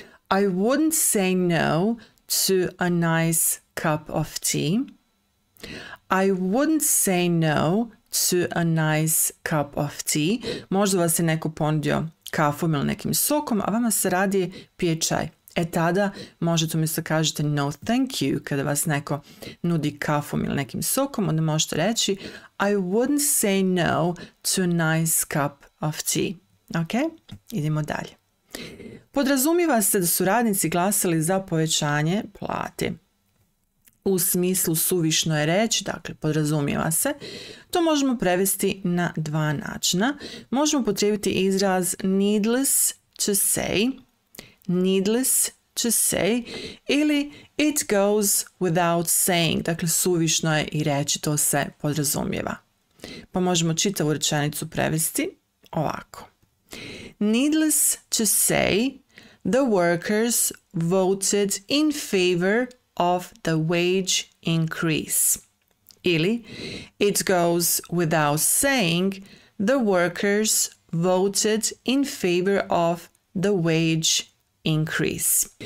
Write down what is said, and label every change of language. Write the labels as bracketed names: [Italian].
[English] I wouldn't say no to a nice cup of tea. I wouldn't say no to a nice cup of tea. [Bosnian] Možda vas je neko ponudio kafom ili nekim sokom, a vama se radi pije čaj. E tada možete umjesto kažete [English] no thank you [Bosnian] kada vas neko nudi kafom ili nekim sokom, onda možete reći [English] I wouldn't say no to a nice cup of tea. [Bosnian] Ok, idemo dalje. Podrazumijeva se da su radnici glasali za povećanje plate. U smislu suvišno je reći, dakle podrazumijeva se, to možemo prevesti na dva načina. Možemo upotrijebiti izraz [English] needless to say. Needless to say [Bosnian] ili [English] it goes without saying, [Bosnian] dakle suvišno je i reći, to se podrazumijeva. Pa možemo čitavu rečenicu prevesti ovako. [English] Needless to say, the workers voted in favor of the wage increase. [Bosnian] Ili [English] it goes without saying, the workers voted in favor of the wage increase.